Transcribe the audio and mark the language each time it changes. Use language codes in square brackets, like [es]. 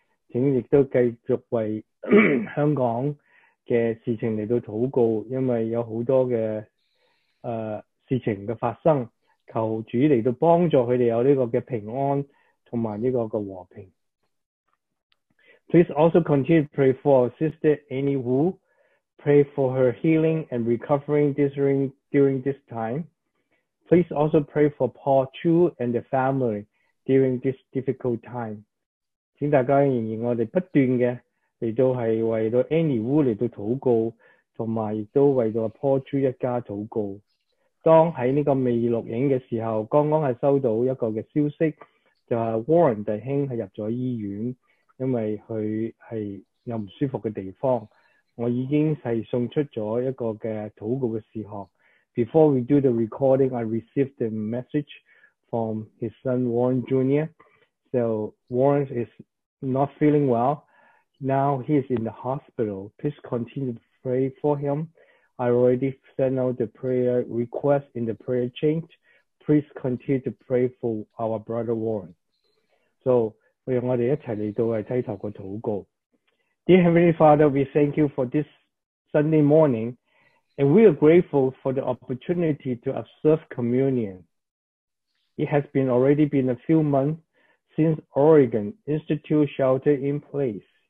[zh] 请亦都继续为香港的事情来祷告，因为有很多的事情的发生，求主来到帮助他们有这个的平安和这个的和平。 [en] Please also continue to pray for Sister Annie Wu. Pray for her healing and recovering during this time. Please also pray for Paul Chu and the family during this difficult time. [zh] 请大家仍然我们不断的来到是为到 Annie Wu 来到祷告，还有也都为到 Paul Chu 一家祷告。当在这个未录影的时候，刚刚是收到一个的消息，就是 Warren 弟兄是入了医院，因为他是有不舒服的地方。我已经是送出了一个的祷告的事项。 [en] Before we do the recording, I received a message from his son Warren Jr. So Warren is not feeling well. Now he is in the hospital. Please continue to pray for him. I already sent out the prayer request in the prayer chain. Please continue to pray for our brother Warren. [zh] So,让我们一起来到低头的祷告。 [en] Dear Heavenly Father, we thank you for this Sunday morning, and we are grateful for the opportunity to observe communion. It has been already been a few months since Oregon Institute shelter in place.